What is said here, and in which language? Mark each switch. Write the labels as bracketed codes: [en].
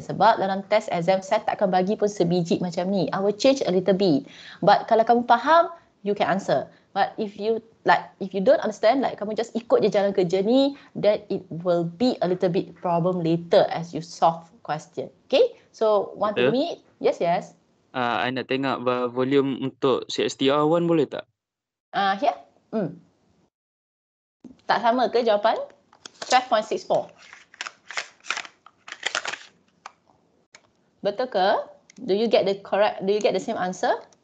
[ms] Sebab dalam test exam, saya takkan bagi pun sebiji macam ni. [en] I will change a little bit. But [ms] kalau kamu faham, [en] you can answer. But if you don't understand, like [ms] kamu just ikut je jalan kerja ni, [en] then it will be a little bit problem later as you solve question. Okay? So, want to meet? Yes, yes. [ms] I nak tengok volume untuk CSTR1 boleh tak? Yeah. Hmm. Tak sama ke jawapan? 12.64. Betul ke? [en] Do you get the correct? Do you get the same answer?